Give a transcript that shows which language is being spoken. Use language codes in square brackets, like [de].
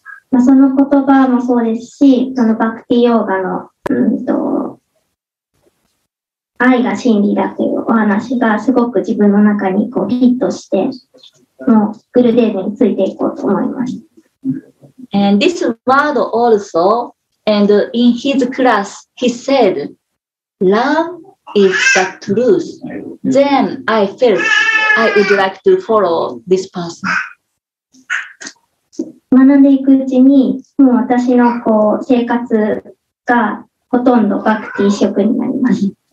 [ja] まあ、その言葉もそうですし、そのバクティヨーガの、愛が真理だというお話がすごく自分の中にこうヒットして、もうグルデーブについていこうと思います。 [en] And this word also, and in his class, he said, love is the truth. Then I felt I would like to follow this person. [ja] 学んでいくうちに、もう私のこう生活がほとんどバクティ色になります。